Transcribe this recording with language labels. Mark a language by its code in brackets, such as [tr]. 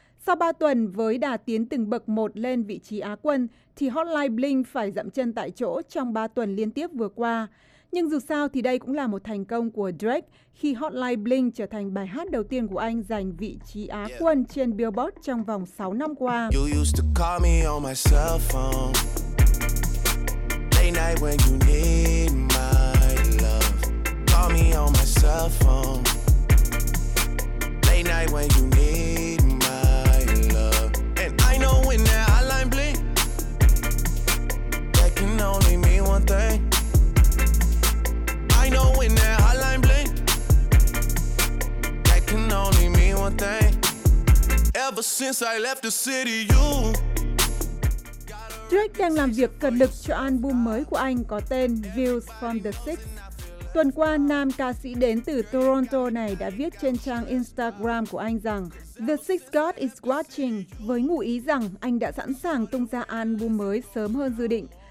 [vi] Sau 3 tuần với đà tiến từng bậc một lên vị trí Á quân, thì Hotline Bling phải dậm chân tại chỗ trong 3 tuần liên tiếp vừa qua. Nhưng dù sao thì đây cũng là một thành công của Drake khi Hotline Bling trở thành bài hát đầu tiên của anh giành vị trí Á quân trên Billboard trong vòng 6 năm qua. [en] You used to call me on my cell phone. Late night when you need my love. Call me on my cell phone. Late night when you need my love. And I know when that hotline bling, that can only mean one thing. I know when that hotline bling, that can only mean one thing. Ever since I left the city, you. [vi] Drake đang làm việc cật lực cho album mới của anh có tên Views from the Six. Tuần qua, nam ca sĩ đến từ Toronto này đã viết trên trang Instagram của anh rằng [en] The Six God is watching, [vi] với ngụ ý rằng anh đã sẵn sàng tung ra album mới sớm hơn dự định.